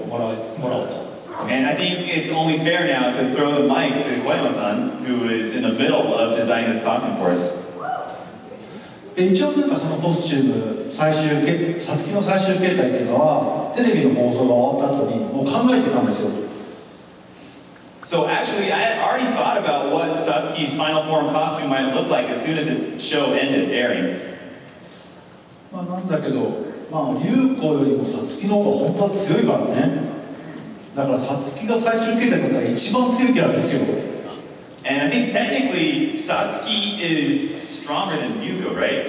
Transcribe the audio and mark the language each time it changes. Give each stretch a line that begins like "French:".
English: And I think it's only fair now to throw the mic to Koyama-san, who is in the middle of designing this costume for us.
Japanese: 一応なんかそのコスチューム最終形、サツキの最終形態っていうのはテレビの放送が終わった後にもう考えてたんですよ。
English: So actually I had already thought about what Satsuki's final form costume might look like as soon as the show ended airing。
Japanese: まあなんだけど、まあ優子よりもサツキの方が本当は強いからね。だからサツキが最終形態だったら一番強いキャラですよ。
English: And I think technically Satsuki is stronger than Ryuko, right?